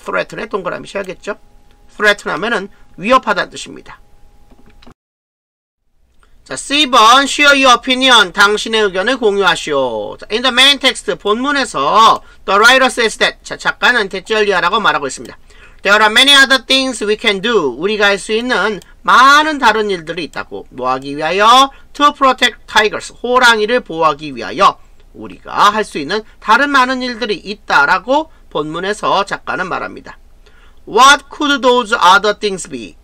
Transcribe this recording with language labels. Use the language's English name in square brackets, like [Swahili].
[Korean] threaten의 동그라미 셔야겠죠. threaten 하면은 위협하다는 뜻입니다. 자, C번, [English] share your opinion. [Korean] 당신의 의견을 공유하시오. 자, [English] in the main text, [Korean] 본문에서 [English] the writer says that. [Korean] 자, 작가는 대절리아라고 말하고 있습니다. [English] There are many other things we can do. [Korean] 우리가 할 수 있는 많은 다른 일들이 있다고. 뭐 하기 위하여? [English] To protect tigers. [Korean] 호랑이를 보호하기 위하여 우리가 할 수 있는 다른 많은 일들이 있다라고 본문에서 작가는 말합니다. [English] What could those other things be?